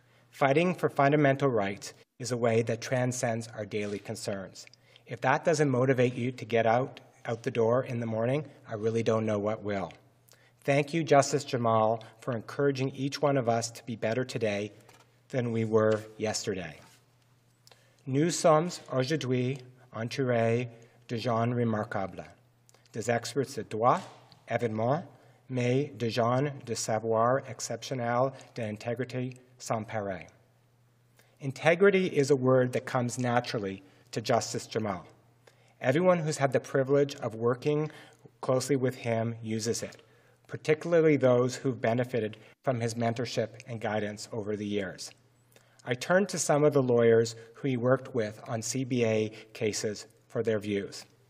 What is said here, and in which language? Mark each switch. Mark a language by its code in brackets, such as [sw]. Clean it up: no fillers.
[en] Fighting for fundamental rights is a way that transcends our daily concerns. If that doesn't motivate you to get out the door in the morning, I really don't know what will. Thank you, Justice Jamal, for encouraging each one of us to be better today than we were yesterday. [fr] Nous sommes aujourd'hui entourés de gens remarquables, des experts de droit, évidemment, mais de gens de savoir exceptionnel d'intégrité sans pareil. [en] Integrity is a word that comes naturally to Justice Jamal. Everyone who's had the privilege of working closely with him uses it, particularly those who've benefited from his mentorship and guidance over the years. I turned to some of the lawyers who he worked with on CBA cases for their views.